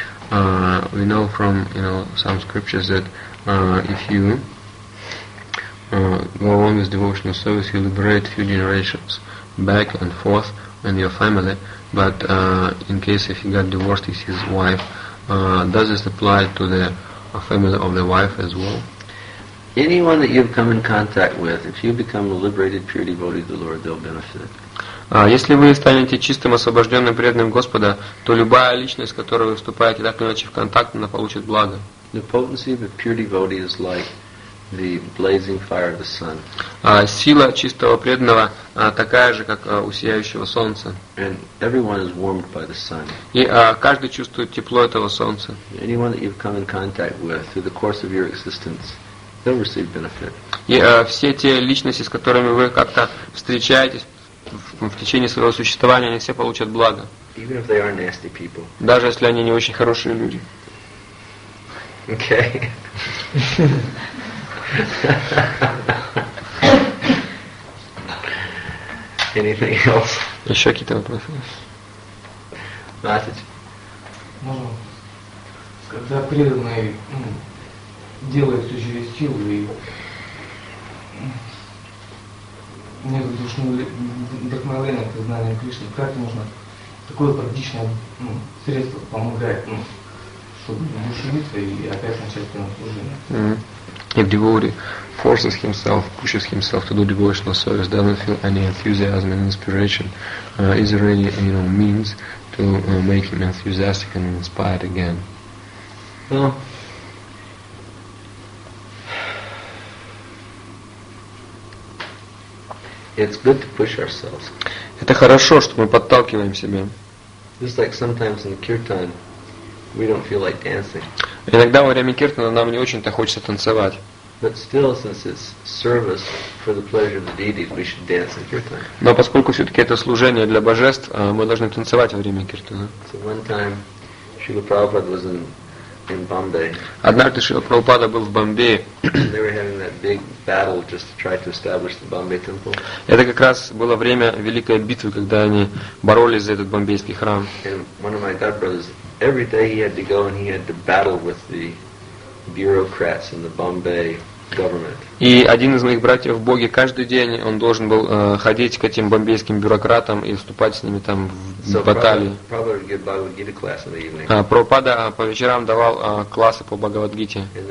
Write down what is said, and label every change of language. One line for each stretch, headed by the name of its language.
English: We know from some scriptures that if you go on with devotional service, you liberate a few generations back and forth in your family. But in case if he got divorced with his wife, does this apply to the family of the wife as well? Anyone that you've come in contact with, if you become a liberated pure devotee of the Lord, they'll benefit.
Russian: Если вы станете чистым, освобожденным, преданным Господа, то любая личность, с которой вы вступаете так или иначе в контакт, она получит благо.
English: The potency of a pure devotee is like the blazing fire of the sun.
Russian: Сила чистого преданного такая же, как у сияющего солнца.
English: And everyone is warmed by the sun.
Russian: И каждый чувствует тепло этого солнца.
English: Anyone that you've come in contact with through the course of your existence, they'll receive benefit.
Russian: И все те личности, с которыми вы как-то встречаетесь в течение своего существования, они все получат благо.
English: Even if they are nasty people.
Russian: Даже если они не очень хорошие люди.
English: Okay. Anything else?
Russian: Еще какие-то вопросы? Когда преданный делает все через силу и нет душного вдохновения к знанию Кришны, как можно такое практичное средство помогает, чтобы душевиться и опять начать служение?
English: If devotee forces himself, pushes himself to do devotional service, doesn't feel any enthusiasm and inspiration, is there any means to make him enthusiastic and inspired again? It's good to push ourselves.
Russian: Это хорошо, что мы подталкиваем себя.
English: Just like sometimes in kirtan, we don't feel like dancing.
Russian: Иногда во время киртана нам не очень-то хочется танцевать.
English: But still, since it's service for the pleasure of the deities, we should dance in kirtan.
Russian: Но поскольку все-таки это служение для божеств, мы должны танцевать во время киртана.
English: So one time, Srila Prabhupada was in in Bombay.
Russian: Однажды Шрила Прабхупада был в Бомбее.
English: They were having that big battle just to try to establish the Bombay temple.
Russian: Это как раз было время великой битвы, когда они боролись за этот бомбейский храм.
English: And one of my god brothers, every day he had to go and he had to battle with the bureaucrats in the Bombay.
Russian: И один из моих братьев в Боге каждый день он должен был ходить к этим бомбейским бюрократам и вступать с ними там в баталии. Прабхупада по вечерам давал классы по Бхагавадгите.